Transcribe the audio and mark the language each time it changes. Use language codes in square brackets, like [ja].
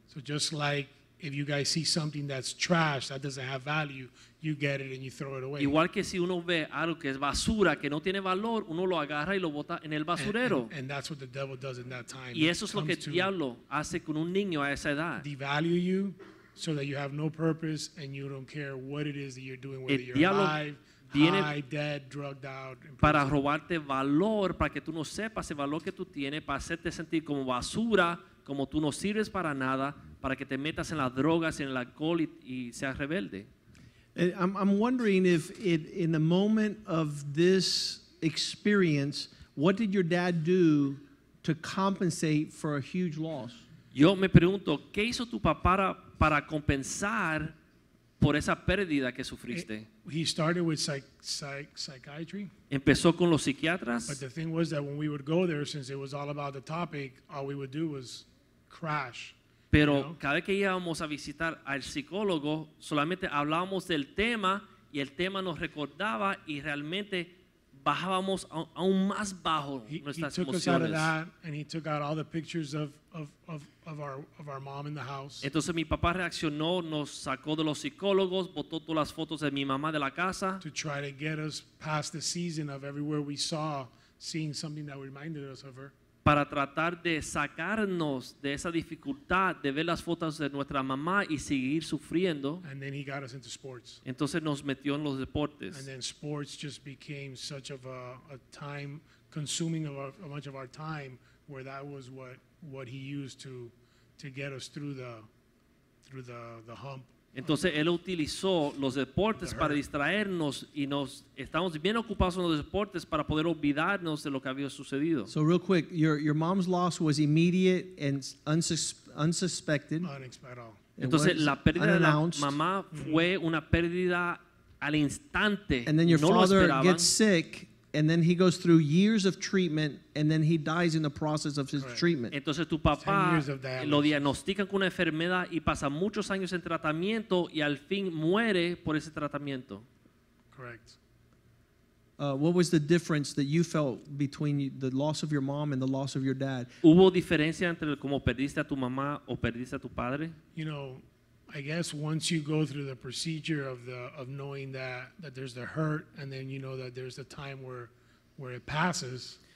[en] So just like if you guys see something that's trash, that doesn't have value, you get it and you throw it away. [es] Igual que si uno ve algo que es basura, que no tiene valor, uno lo agarra y lo bota en el basurero. [en] And that's what the devil does in that time. [es] Y eso es lo que el diablo hace con un niño a esa edad. [en] Devalue you so that you have no purpose and you don't care what it is that you're doing, whether you're alive, high, dead, drugged out. [es] Para robarte valor, para que tú no sepas el valor que tú tienes, para hacerte sentir como basura, como tú no sirves para nada, para que te metas en las drogas, en el alcohol y seas rebelde. [en] I'm wondering if it, in the moment of this experience, what did your dad do to compensate for a huge loss? [es] Yo me pregunto, ¿qué hizo tu papá para compensar por esa pérdida que sufriste? [en] He started with psychiatry. [es] Empezó con los psiquiatras. [en] But the thing was that when we would go there, since it was all about the topic, all we would do was crash. [es] Pero [en] you know? [es] Cada vez que íbamos a visitar al psicólogo, solamente hablábamos del tema y el tema nos recordaba y realmente bajábamos aún más bajo nuestras emociones. [en] He took us out of that and he took out all the pictures of our mom in the house. [es] Entonces mi papá reaccionó, nos sacó de los psicólogos, botó todas las fotos de mi mamá de la casa. [en] To try to get us past the season of everywhere we saw, seeing something that reminded us of her. [es] para tratar de sacarnos de esa dificultad de ver las fotos de nuestra mamá y seguir sufriendo. [en] And then he got us into sports. [es] Entonces nos metió en los deportes. [en] And then sports just became such of a time consuming of a bunch of our time, where that was what he used to get us through the hump. [es] Entonces él utilizó los deportes para distraernos y nos estamos bien ocupados en los deportes para poder olvidarnos de lo que había sucedido. [en] So real quick, your mom's loss was immediate and unsuspected. [es] Entonces la pérdida de la mamá fue una pérdida al instante. [en] And then your father gets sick. And then he goes through years of treatment, and then he dies in the process of his treatment. [es] Entonces tu papá lo diagnostican con una enfermedad y pasa muchos años en tratamiento y al fin muere por ese tratamiento. [en] Correct. What was the difference that you felt between the loss of your mom and the loss of your dad? [es] ¿Hubo diferencia entre cómo perdiste a tu mamá o perdiste a tu padre? [en] You know, I guess once you go through the procedure of knowing that there's the hurt, and then you know that there's the time where it passes.